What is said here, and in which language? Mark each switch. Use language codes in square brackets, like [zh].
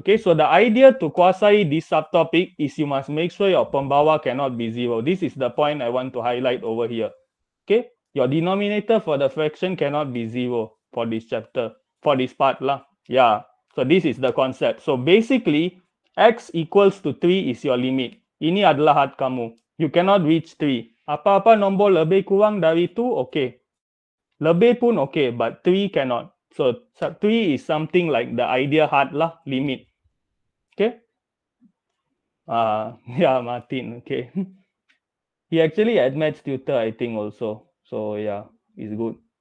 [en] Okay, so the idea to [ms] kuasai [en] this subtopic is you must make sure your [ms] pembawa [en] cannot be 0. This is the point I want to highlight over here. Okay? Your denominator for the fraction cannot be 0 for this chapter, for this part lah. Yeah, so this is the concept. So basically, x equals to 3 is your limit. [ms] Ini adalah had kamu. [en] You cannot reach 3. [ms] Apa-apa nombor lebih kurang dari 2, okay. Lebih pun okay, [en] but 3 cannot. So 3 is something like the idea had lah, limit. Okay? Yeah, Martin, okay. He actually admits tutor, I think also. So yeah, it's good.